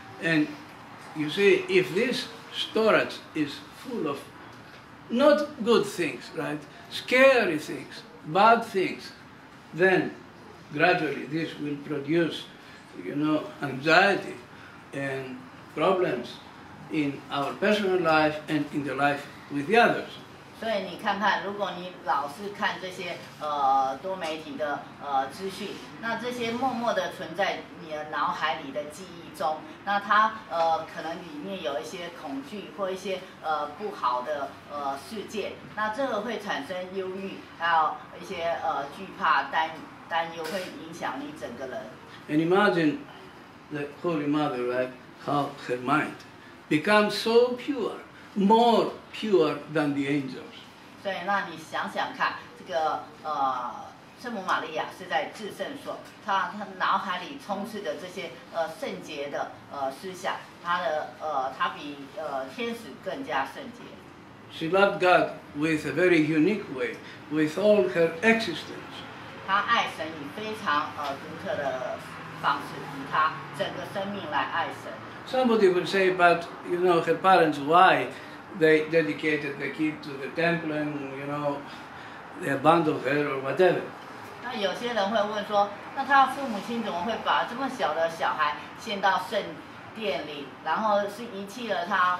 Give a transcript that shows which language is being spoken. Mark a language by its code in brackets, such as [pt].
[en] And you see, if this storage is full of not good things, right, scary things, bad things, then gradually this will produce, you know, anxiety and problems in our personal life and in the life with the others. [zh] 所以你看看，如果你老是看这些多媒体的资讯，那这些默默的存在你的脑海里的记忆中，那它可能里面有一些恐惧或一些不好的事件，那这个会产生忧郁，还有一些惧怕、担忧，会影响你整个人。 [en] And imagine the Holy Mother, right? How her mind becomes so pure. More pure than the angels. [zh] 所以，那你想想看，这个圣母玛利亚是在至圣所，她脑海里充斥着这些圣洁的思想，她比天使更加圣洁。 [en] She loved God with a very unique way, with all her existence. [zh] 她爱神以非常独特的方式，以她整个生命来爱神。 [en] Somebody would say, but you know, her parents, why they dedicated the kid to the temple and you know, they abandoned her or whatever. [zh] 那有些人会问说，那他父母亲怎么会把这么小的小孩献到圣殿里，然后是遗弃了他？